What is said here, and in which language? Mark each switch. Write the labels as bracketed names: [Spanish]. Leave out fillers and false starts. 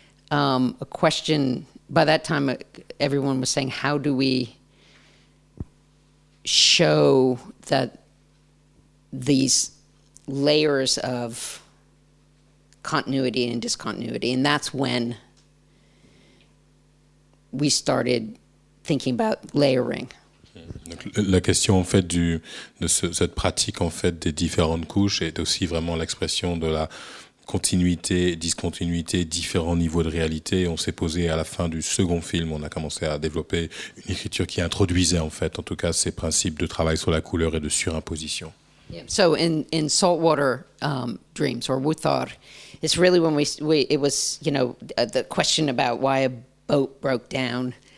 [English] A question, by that time, everyone was saying, how do we show that these layers of continuity and discontinuity? And that's when we started thinking about layering. [French] Donc, la question en fait cette pratique en fait des différentes couches est aussi vraiment l'expression de la continuité, discontinuité, différents niveaux de réalité. On s'est posé à la fin du second film, on a commencé à développer une écriture qui introduisait en fait, en tout cas, ces principes de travail sur la couleur et de surimposition. [English] Yeah. So in Saltwater Dreams or Wuthar, it's really when we it was, you know, the question about why a boat broke down,